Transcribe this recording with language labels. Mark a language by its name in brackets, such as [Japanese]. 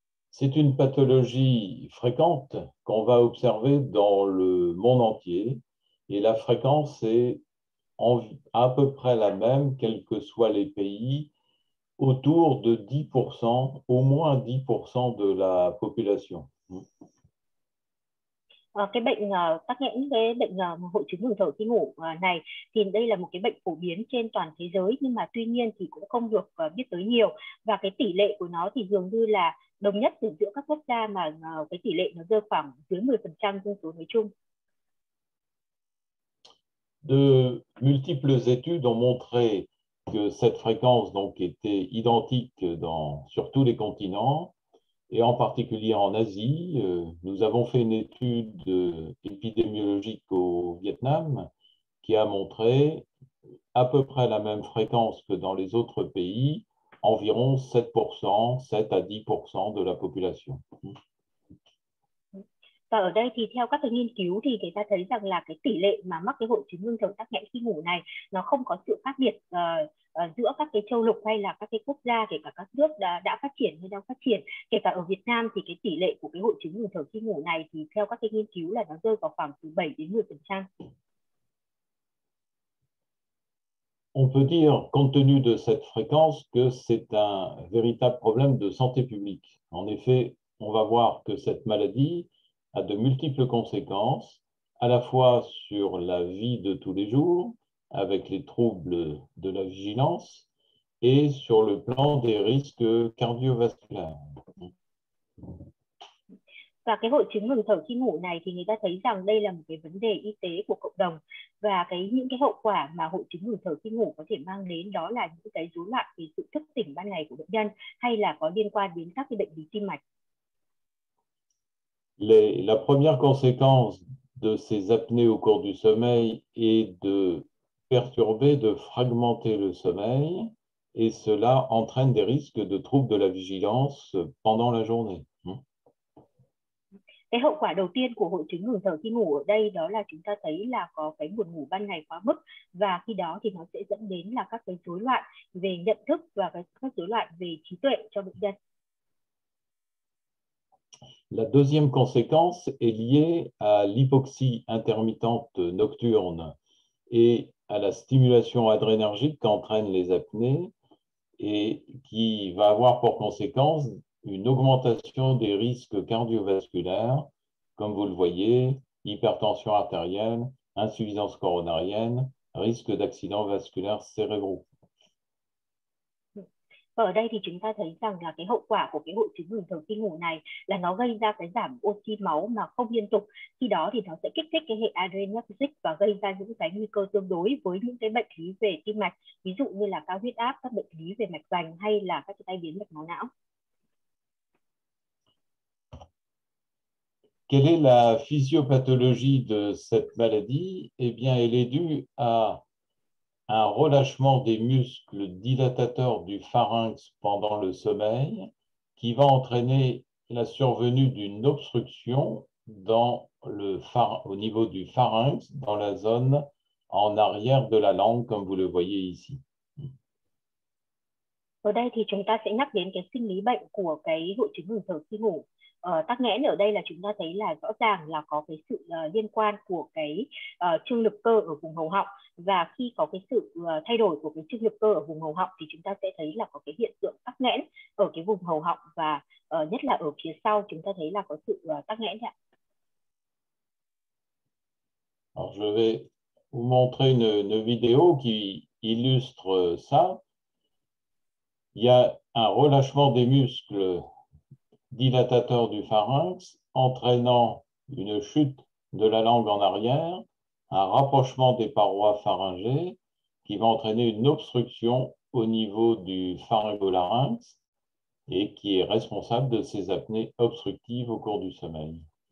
[French] C'est une pathologie fréquente qu'on va observer dans le monde entier et la fréquence est à peu près la même, quels que soient les pays, autour de 10%, au moins 10% de la population. [Vietnamese] Cái bệnh tắc nghẽn, cái bệnh hội chứng ngừng thở khi ngủ này thì đây là một cái bệnh phổ biến trên toàn thế giới, nhưng mà tuy nhiên thì cũng không được biết tới nhiều, và cái tỷ lệ của nó thì dường như là đồng nhất từ giữa các quốc gia, mà cái tỷ lệ nó rơi khoảng dưới 10% dân số nói chung. [French] De multiples études ont montré que cette fréquence donc était identique sur tous les continents et en particulier en Asie. Nous avons fait une étude épidémiologique au Vietnam qui a montré à peu près la même fréquence que dans les autres pays, environ 7%, 7 à 10% de la population. [Vietnamese] Và ở đây thì theo các cái nghiên cứu thì người ta thấy rằng là cái tỷ lệ mà mắc cái hội chứng ngưng thở tắc nghẽn khi ngủ này nó không có sự khác biệt giữa các cái châu lục hay là các cái quốc gia, kể cả các nước đã phát triển hay đang phát triển. Kể cả ở Việt Nam thì cái tỷ lệ của cái hội chứng ngừng thở khi ngủ này thì theo các cái nghiên cứu là nó rơi vào khoảng từ 7 đến 10%. [French] On peut dire, compte tenu de cette fréquence, que c'est un véritable problème de santé publique. En effet, on va voir que cette maladie a de multiples conséquences, à la fois sur la vie de tous les jours, avec les troubles de la vigilance, et sur le plan des risques cardiovasculaires. [Vietnamese] Và cái hội chứng ngừng thở khi ngủ này thì người ta thấy rằng đây là một cái vấn đề y tế của cộng đồng, và cái những cái hậu quả mà hội chứng ngừng thở khi ngủ có thể mang đến đó là những cái rối loạn về sự thức tỉnh ban ngày của bệnh nhân, hay là có liên quan đến các cái bệnh lý tim mạch. [French] La première conséquence de ces apnées au cours du sommeil est de perturber, de fragmenter le sommeil, et cela entraîne des risques de troubles de la vigilance pendant la journée. [Vietnamese] Cái hậu quả đầu tiên của hội chứng ngừng thở khi ngủ ở đây đó là chúng ta thấy là có cái buồn ngủ ban ngày quá mức, và khi đó thì nó sẽ dẫn đến là các cái rối loạn về nhận thức và các rối loạn về trí tuệ cho bệnh nhân. [French] La deuxième conséquence est liée à l'hypoxie intermittente nocturne et à la stimulation adrénergique qu'entraînent les apnées et qui va avoir pour conséquence une augmentation des risques cardiovasculaires, comme vous le voyez, hypertension artérielle, insuffisance coronarienne, risque d'accident vasculaire cérébraux. [Vietnamese] Và ở đây thì chúng ta thấy rằng là cái hậu quả của cái hội chứng ngừng thở khi ngủ này là nó gây ra cái giảm oxy máu mà không liên tục. Khi đó thì nó sẽ kích thích cái hệ adrenergic và gây ra những cái nguy cơ tương đối với những cái bệnh lý về tim mạch, ví dụ như là cao huyết áp, các bệnh lý về mạch vành hay là các tai biến mạch máu não. [French] Quelle est la physiopathologie de cette maladie? Eh bien, elle est due à un relâchement des muscles dilatateurs du pharynx pendant le sommeil qui va entraîner la survenue d'une obstruction dans le au niveau du pharynx dans la zone en arrière de la langue, comme vous le voyez ici. [Vietnamese] Ở đây thì chúng ta sẽ nhắc đến cái sinh lý bệnh của cái hội chứng ngừng thở khi ngủ. Tắc nghẽn ở đây là chúng ta thấy là rõ ràng là có cái sự liên quan của cái trương lực cơ ở vùng hầu họng, và khi có cái sự thay đổi của cái trương lực cơ ở vùng hầu họng thì chúng ta sẽ thấy là có cái hiện tượng tắc nghẽn ở cái vùng hầu họng, và nhất là ở phía sau chúng ta thấy là có sự tắc nghẽn ạ. [French] Alors je vais vous montrer une vidéo qui illustre ça. Il y a un relâchement des muscles dilatateur du pharynx, entraînant une chute de la langue en arrière, un rapprochement des parois pharyngées qui va entraîner une obstruction au niveau du pharyngolarynx et qui est responsable de ces apnées obstructives au cours du sommeil.